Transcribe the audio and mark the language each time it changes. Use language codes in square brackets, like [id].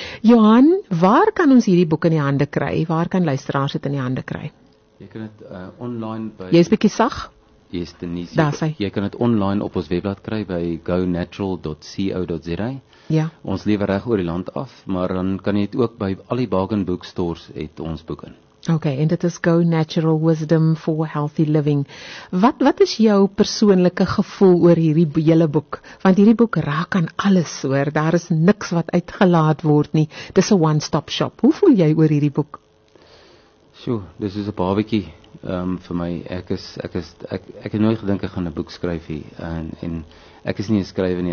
[af] Johan, waar kan ons hierdie boek in die hande kry? Waar kan luisteraars dit in die hande kry? Jy kan dit online by... Jy is bietjie sag? Yes, Denise. Daar sy. Jy kan dit online op ons webblad kry by gonatural.co.za. Ja. Ons lewer reg oor die land af, maar dan kan jy dit ook by al die bargain bookstores het ons boek in. [en] Okay, and it is Go Natural Wisdom for Healthy Living. [af] Wat is jou persoonlike gevoel oor hierdie hele boek? Want hierdie boek raak aan alles, hoor. Daar is niks wat uitgelaat word nie. Dis 'n one-stop shop. Hoe voel jy oor hierdie boek? So, dis is 'n babietjie vir my. Ek het nooit gedink ek gaan 'n boek skryf hier en ek is nie 'n skrywer nie.